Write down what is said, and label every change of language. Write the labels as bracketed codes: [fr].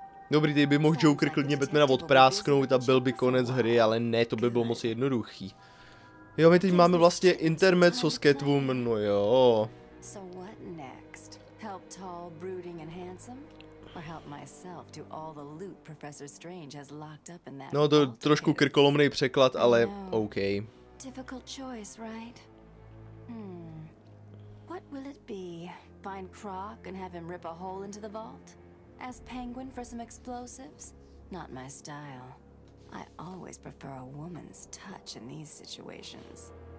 [cs] Dobrý, teď by mohl Joker klidně Batmana odprásknout a byl by konec hry, ale ne, to by bylo moc jednoduchý. Jo, my teď máme vlastně intermezzo s Catwoman, no jo. [en] So what next? Help tall, brooding and handsome? Or help myself to all the loot Professor Strange has locked up in that. [cs] No, to trošku krkolomný překlad, ale OK. [en] Difficult choice, right? What will it be? Find Croc and have him rip a hole into the vault? Ask Penguin for some explosives? Not my style. I always prefer a woman's touch in these situations.